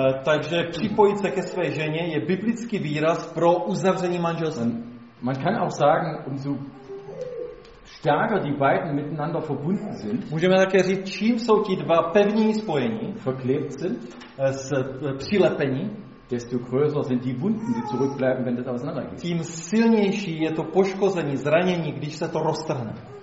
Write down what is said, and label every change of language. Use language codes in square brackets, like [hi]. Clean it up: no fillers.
[cs] Takže připojit se ke své ženě je biblický výraz pro uzavření manželství. [de] Man kann auch sagen, umso stärker die beiden miteinander verbunden sind. [cs] Můžeme také říct, čím jsou ti dva pevní spojení, [de] verklebt sind, [cs] přilepení, [de] desto größer sind die Wunden, die zurückbleiben, wenn das auseinandergeht. [cs] Tím silnější je to poškození, zranění, když se to roztrhne.